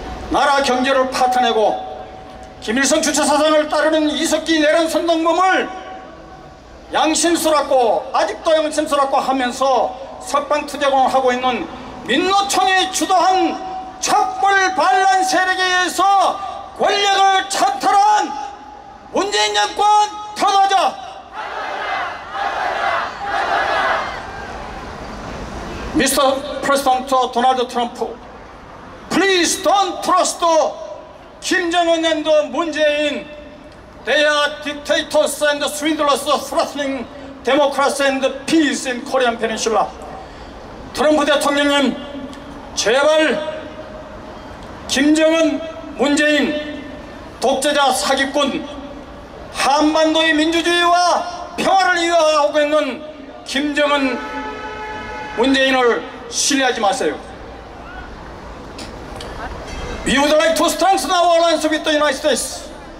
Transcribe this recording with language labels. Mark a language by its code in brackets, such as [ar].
[ko] 나라 경제를 파탄내고 김일성 주체 사상을 따르는 이석기 내란 선동범을 양심스럽고 아직도 양심스럽고 하면서 석방 투쟁을 하고 있는 민노총이 주도한 촛불 반란 세력에 의해서 권력을 찬탈한 문재인 정권 터나자! [en] 미스터 프레지던트 도널드 트럼프, Please don't trust 김정은 and 문재인. They are dictators and swindlers threatening democracy and peace in Korean Peninsula. [ko] 트럼프 대통령님, 제발 김정은, 문재인, 독재자 사기꾼, 한반도의 민주주의와 평화를 위협하고 있는 김정은, 문재인을 신뢰하지 마세요. [en] We would like to strengthen our alliance with the United States.